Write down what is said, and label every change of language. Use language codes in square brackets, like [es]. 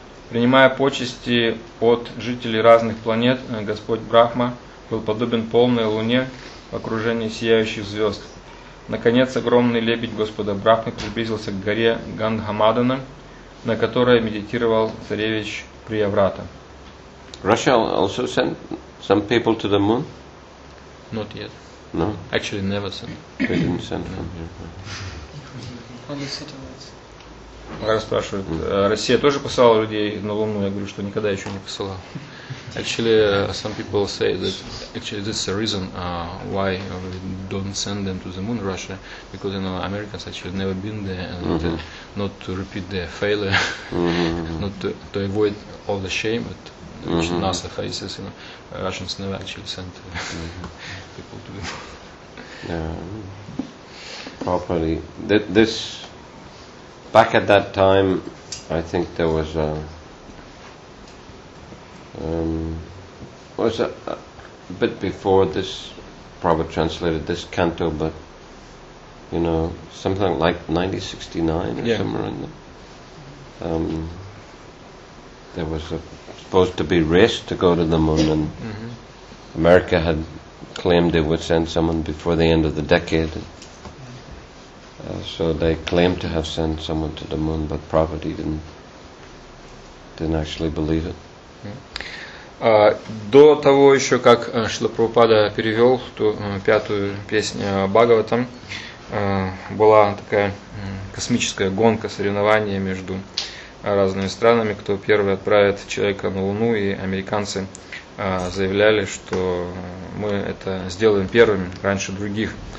[ru] Принимая почести от жителей разных планет, Господь Брахма был подобен полной луне в окружении сияющих звезд. Наконец, огромный лебедь Господа Брахмы приблизился к горе Гандхамадана, на которой медитировал царевич Приаврата. [en] Russia also sent some people to the moon? Not yet. No? Actually, never sent. They didn't send from here. Only satellites. [ru] Мага спрашивает, Россия тоже посылала людей на Луну? Я говорю, что никогда еще не посылал. [en] Actually, some people say that actually this is the reason why we don't send them to the moon, Russia, because you know Americans actually never been there, and not to repeat their failure, not to avoid all the shame that NASA faces. You know, Russians never actually sent people to the moon. Yeah, properly. This back at that time, I think there was a was a bit before this Prabhupada translated this canto, but you know, something like 1969 or somewhere in there. There was supposed to be race to go to the moon, and America had claimed they would send someone before the end of the decade. So they claimed to have sent someone to the moon, but Prabhupada didn't actually believe it. [ru] До того еще, как Шрила Прабхупада перевел ту пятую песню Бхагаватам, была такая космическая гонка, соревнование между разными странами, кто первый отправит человека на Луну, и американцы заявляли, что мы это сделаем первыми, раньше других.